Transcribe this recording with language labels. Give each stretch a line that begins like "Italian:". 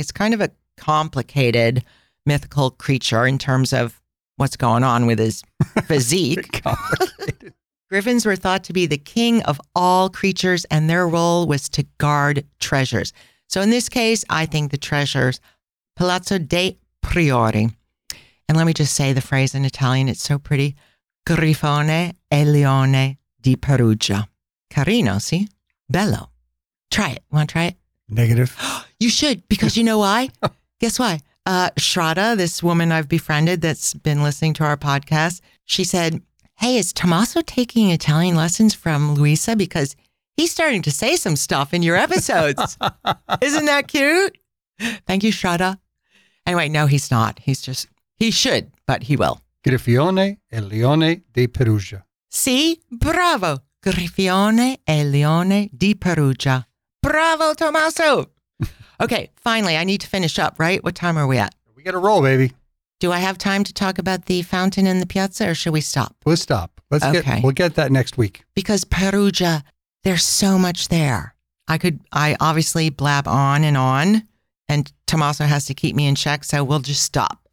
English: It's kind of a complicated mythical creature in terms of what's going on with his physique. Griffins were thought to be the king of all creatures, and their role was to guard treasures. So in this case, I think the treasures, Palazzo dei Priori. And let me just say the phrase in Italian, it's so pretty.
Italian: Grifone e leone di Perugia. Carino, sì? Bello.
English: Try it. Want to try it? Negative. You should, because you know why? Guess why? Shrada, this woman I've befriended that's been listening to our podcast, she said, hey, is Tommaso taking Italian lessons from Luisa? Because he's starting to say some stuff in your episodes. Isn't that cute? Thank you, Shrada. Anyway, no, he's not. He should, but he will.
Italian: Grifione e leone di Perugia. Sì, bravo. Grifione e leone di Perugia. Bravo, Tommaso.
English: Okay, finally, I need to finish up, right? What time are we at? We got to roll, baby. Do I have time to talk about the fountain in the piazza, or should we stop? We'll stop. We'll get that next week. Because Perugia, there's so much there. I obviously blab on and on, and Tommaso has to keep me in check, so we'll just stop.